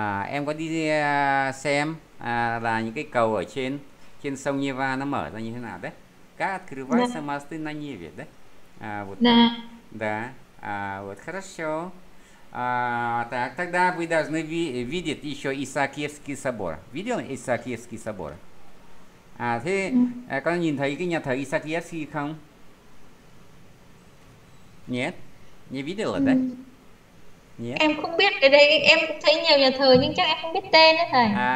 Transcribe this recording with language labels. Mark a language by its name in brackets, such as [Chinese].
[Vietnamese] Em có đi xem là những cái cầu ở trên trên sông Neva nó mở ra như thế nào đấy? Các [Russian] Да. открываются мосты на небе, да? Вот так, Да. да. Вот хорошо. Так, тогда вы должны видеть еще Исаакиевский собор. Видел Исаакиевский собор? [Vietnamese] Thế có nhìn thấy cái nhà thờ Исаакиевский không? [Russian] Нет. Не видела, да? Нет. [Vietnamese] Em không biết cái đấy, em cũng thấy nhiều nhà thờ nhưng chắc em không biết tên đấy thầy.